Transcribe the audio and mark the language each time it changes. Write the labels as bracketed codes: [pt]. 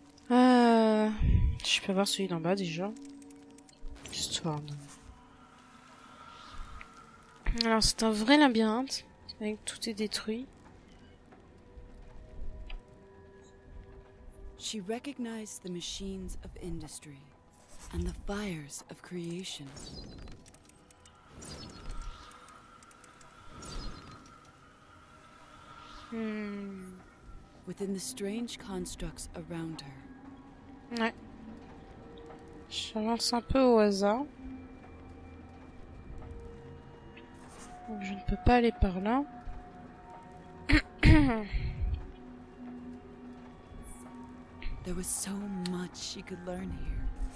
[fr] Je peux voir celui d'en bas déjà. Histoire de... Alors, c'est un vrai labyrinthe, avec tout est détruit. [en] She recognized the machines of industry and the fires of creation. Within the strange constructs around her. [fr] Ouais. J'avance un peu au hasard. Je ne peux pas aller par là. [en] There was so much she could learn here.